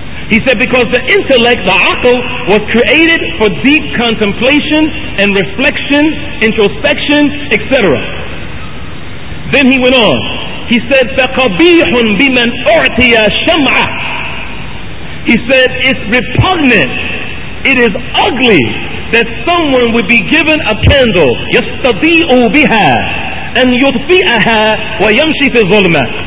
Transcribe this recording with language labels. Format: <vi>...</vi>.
<en>He said because the intellect, the aql, was created for deep contemplation and reflection, introspection, etc. Then he went on.</en> <ar>He said, فَقَبِيحٌ بِمَنْ أُعْتِيَ شَمْعَةٌ.</ar> <en>He said, it's repugnant, it is ugly, that someone would be given a candle,</en> <ar>يَسْتَضِيءُ بِهَا أَنْ يُطْفِئَهَا وَيَمْشِي فِي الظُّلْمَةِ.</ar>